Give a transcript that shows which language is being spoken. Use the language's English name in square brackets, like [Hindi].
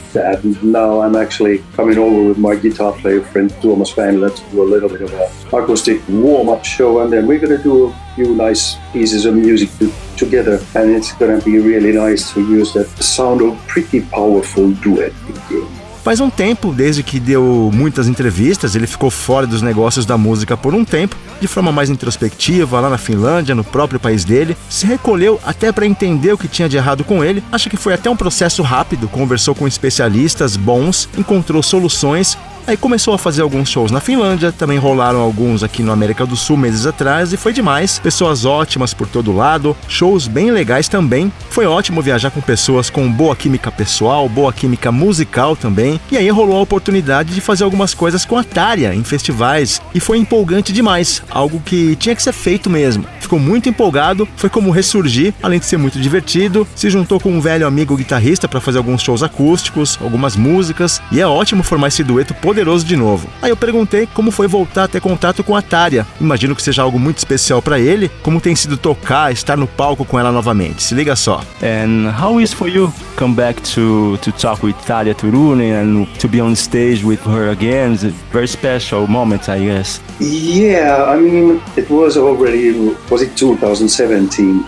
[English] And now I'm actually coming over with my guitar player friend Thomas Vanilla to do a little bit of an acoustic warm-up show, and then we're going to do a few nice pieces of music together, and it's going to be really nice to use that sound of pretty powerful duet again. [Portuguese] Faz um tempo desde que deu muitas entrevistas, ele ficou fora dos negócios da música por um tempo, de forma mais introspectiva, lá na Finlândia, no próprio país dele, se recolheu até para entender o que tinha de errado com ele, acha que foi até um processo rápido, conversou com especialistas bons, encontrou soluções. Aí começou a fazer alguns shows na Finlândia, também rolaram alguns aqui no América do Sul meses atrás, e foi demais. Pessoas ótimas por todo lado, shows bem legais também. Foi ótimo viajar com pessoas com boa química pessoal, boa química musical também. E aí rolou a oportunidade de fazer algumas coisas com a Tarja em festivais. E foi empolgante demais, algo que tinha que ser feito mesmo. Ficou muito empolgado, foi como ressurgir, além de ser muito divertido. Se juntou com um velho amigo guitarrista para fazer alguns shows acústicos, algumas músicas. E é ótimo formar esse dueto poderoso de novo. Aí eu perguntei como foi voltar a ter contato com a Tarja. Imagino que seja algo muito especial para ele, como tem sido tocar, estar no palco com ela novamente. Se liga só. [English] And how is for you come back to talk with Tarja Turunen and to be on stage with her again? It's a very special moment, I guess. Yeah, I mean, it was already, was it 2017?